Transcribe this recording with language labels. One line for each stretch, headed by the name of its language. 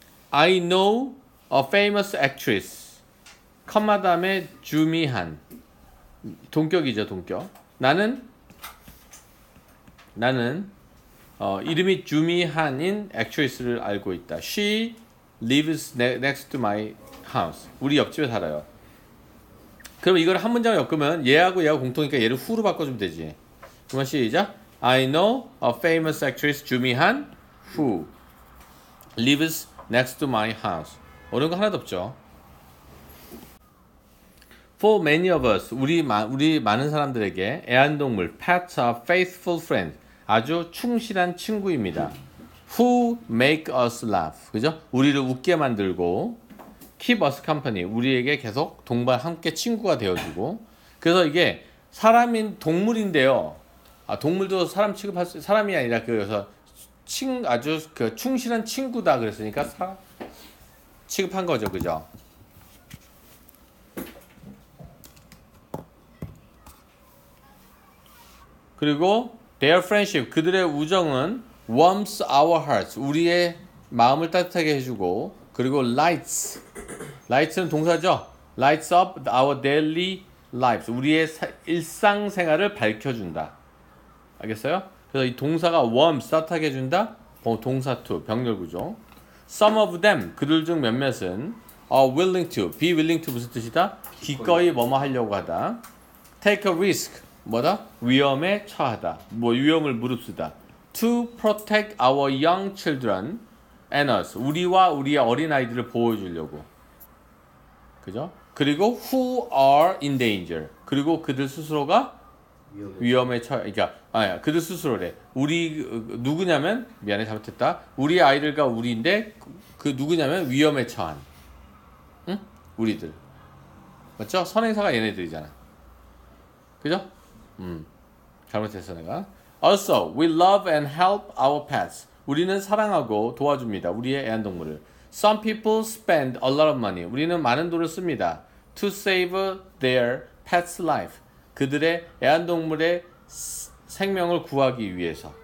English: I know a famous actress.
Korean: 컴마 다음에 주미한 동격이죠 동격. 나는 이름이 주미한인 actress를 알고 있다.
English: She lives next to my house.
Korean: 우리 옆집에 살아요. 그럼 이걸 한 문장 엮으면 얘하고 얘하고 공통이니까 얘를 who로 바꿔주면 되지. 그만 시작.
English: I know a famous actress 주미한 who lives next to my house.
Korean: 어려운 거 하나도 없죠.
English: For many of us,
Korean: 우리 많은 사람들에게 애완동물
English: pets are faithful friends.
Korean: 아주 충실한 친구입니다.
English: Who make us laugh?
Korean: 그죠? 우리를 웃게 만들고
English: keep us company.
Korean: 우리에게 계속 동반 함께 친구가 되어주고. 그래서 이게 사람인 동물인데요. 아, 동물도 사람 취급할 수, 사람이 아니라 그 여기서 친 아주 그 충실한 친구다 그랬으니까 사 취급한 거죠, 그죠? 그리고
English: their friendship
Korean: 그들의 우정은
English: warms our hearts
Korean: 우리의 마음을 따뜻하게 해주고 그리고 lights lights는 동사죠
English: lights up our daily lives
Korean: 우리의 일상 생활을 밝혀준다 알겠어요? 그래서 이 동사가 warms 따뜻하게 해준다 동사 to 병렬 구조
English: some of them
Korean: 그들 중 몇몇은
English: are willing to be willing to
Korean: 무슨 뜻이다 기꺼이 뭐뭐 하려고 하다
English: take a risk
Korean: 뭐다? 위험에 처하다. 뭐 위험을 무릅쓰다.
English: To protect our young children and us.
Korean: 우리와 우리의 어린 아이들을 보호해주려고. 그죠?
English: 그리고 who are in danger.
Korean: 그리고 그들 스스로가 위험에 처. 그러니까 아야 그들 스스로래. 우리 누구냐면 미안해 잘못했다. 우리 아이들과 우리인데 그 누구냐면 위험에 처한. 응? 우리들. 맞죠? 선행사가 얘네들이잖아. 그죠? 잘못했어 내가.
English: Also, we love and help our pets.
Korean: 우리는 사랑하고 도와줍니다. 우리의 애완동물을.
English: Some people spend a lot of money.
Korean: 우리는 많은 돈을 씁니다.
English: To save their pet's life.
Korean: 그들의 애완동물의 생명을 구하기 위해서.